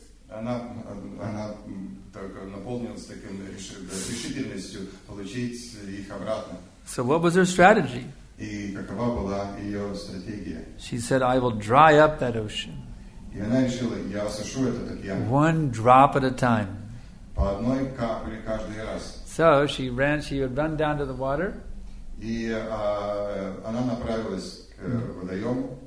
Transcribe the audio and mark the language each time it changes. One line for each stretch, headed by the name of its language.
Russian: Она так наполнилась таким решительностью получить их обратно.
English: So what was her strategy?
Russian: И какова была ее стратегия?
English: She said, I will dry up that ocean.
Russian: И она решила, я осушу этот океан.
English: One drop at a time.
Russian: По одной капле каждый раз.
English: So she ran, she would run down to the water.
Russian: И она направилась к водоему.